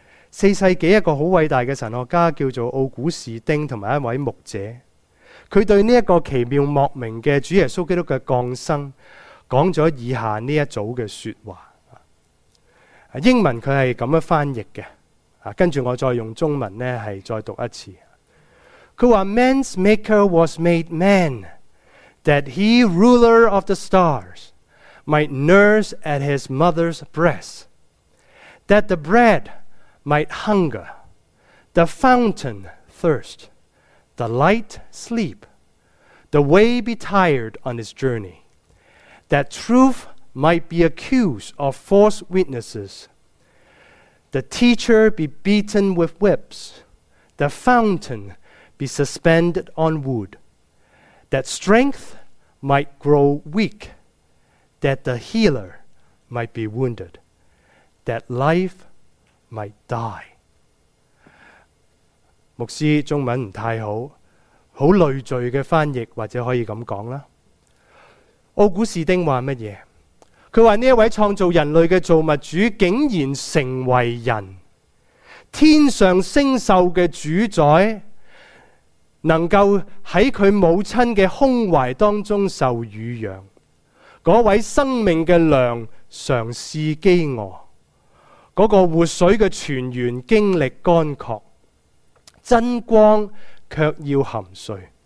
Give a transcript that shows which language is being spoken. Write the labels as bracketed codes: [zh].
[zh] 四世纪一个很伟大的神学家叫做奥古士丁，和一位牧者，他对这个奇妙莫名的主耶稣基督的降生讲了以下这一组的说话。英文他是这样翻译的，跟着我再用中文呢再读一次。他说 [en] Man's maker was made man，that he, ruler of the stars, might nurse at his mother's breast, that the bread might hunger, the fountain thirst, the light sleep, the way be tired on his journey, that truth might be accused of false witnesses, the teacher be beaten with whips, the fountain be suspended on wood, that strengthmight grow weak, that the healer might be wounded, that life might die. [zh] 牧师中文不太好，很累赘的翻译，或者可以这样说。奥古士丁说什么？他说这位创造人类的造物主竟然成为人，天上星宿的主宰能够在他母亲的胸怀当中受乳养，那位生命的粮尝试饥饿，那个活水的泉源经历干渴，真光却要含睡，